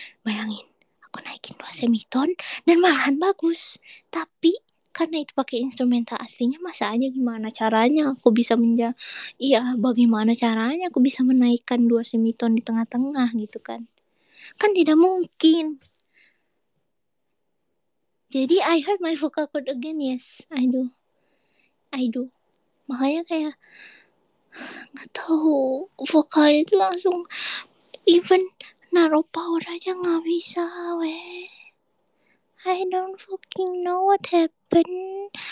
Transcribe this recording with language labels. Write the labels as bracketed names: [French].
[Indonesian] Bayangin, aku naikin 2 semiton dan malahan bagus. Tapi karena itu pakai instrumental aslinya, masa aja gimana caranya aku bisa iya, bagaimana caranya aku bisa menaikkan 2 semiton di tengah-tengah gitu kan. Kan tidak mungkin. Jadi [English] I heard my vocal cord again, yes. I do. [Indonesian] Makanya kayak nggak tahu, vokalnya itu langsung [English] even [Indonesian] naruh power aja nggak bisa, weh. [English] I don't fucking know what happened.